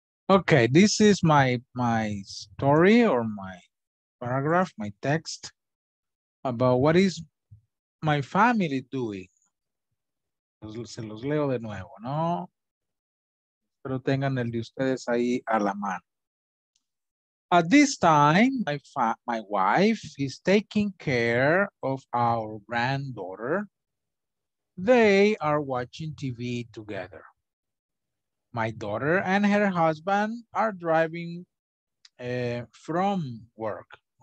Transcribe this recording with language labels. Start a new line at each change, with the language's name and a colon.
English: Okay, this is my story or my paragraph, my text about what is my family doing.
Spanish: Se los leo de nuevo, ¿no? Pero tengan el de ustedes ahí a la mano.
English: At this time, my wife is taking care of our granddaughter. They are watching TV together. My daughter and her husband are driving from work.